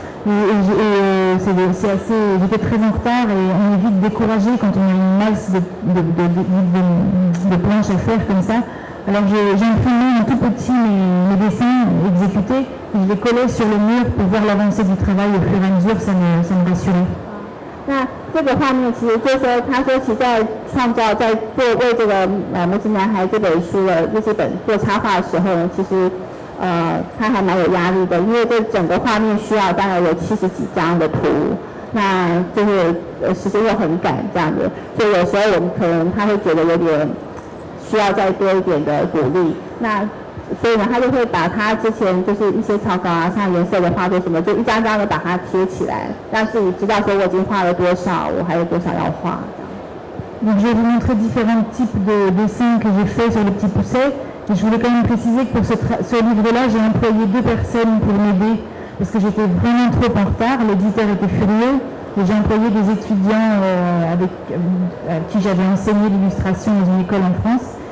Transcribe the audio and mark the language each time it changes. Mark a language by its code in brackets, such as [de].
[fr] J'étais très en retard et on est vite découragé quand on a une masse de planches à faire comme ça. Alors j'ai imprimé un tout petit mes dessins exécutés et je les collais sur le mur pour voir l'avancée du travail au fur et à mesure, ça me rassurait. [zh] 那这个画面其实就是说，他说其实在创造在做为这个《拇指男孩》这本书的日记本做插画的时候呢，其实他还蛮有压力的，因为这整个画面需要大概有70几张的图，那就是时间又很赶这样子，所以有时候我们可能他会觉得有点需要再多一点的鼓励。那所以呢，他就会把他之前就是一些草稿啊，像颜色的画作什么，就一张张的把它贴起来，让自己知道说我已经画了多少，我还有多少要画。 [fr] Donc je vais vous montrer différents types de dessins que j'ai fait sur le petit pousset. Et je voulais quand même préciser que pour ce livre-là, j'ai employé deux personnes pour m'aider parce que j'étais vraiment trop en retard. L'éditeur était furieux et j'ai employé des étudiants avec qui j'avais enseigné l'illustration dans une école en France.